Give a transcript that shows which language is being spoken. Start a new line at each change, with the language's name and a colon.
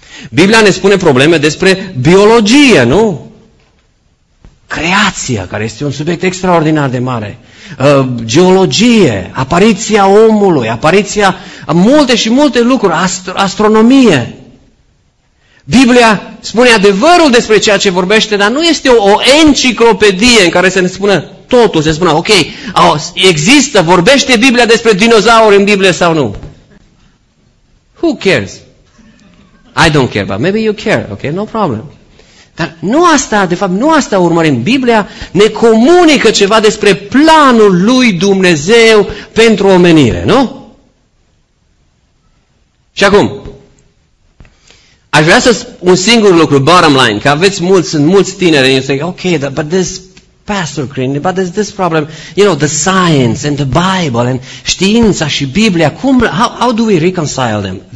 Romanian: Biblia ne spune probleme despre biologie, nu? Creația, care este un subiect extraordinar de mare, geologie, apariția omului, apariția multe și multe lucruri, astronomie. Biblia spune adevărul despre ceea ce vorbește, dar nu este o enciclopedie în care se ne spune totul, se spune, ok, există, vorbește Biblia despre dinozauri în Biblie sau nu?
English: Who cares? I don't care, but maybe you care, ok, no problem.
Romanian: Dar nu asta, de fapt, nu asta urmărim. Biblia ne comunică ceva despre planul lui Dumnezeu pentru omenire, nu? Și acum, aș vrea să spun un singur lucru,
English: bottom line,
Romanian: că aveți mulți, sunt mulți tineri,
English: and you think, ok, but this Pastor Green, but there's this problem, you know, the science and the Bible and
Romanian: știința și Biblia, cum,
English: how do we reconcile them?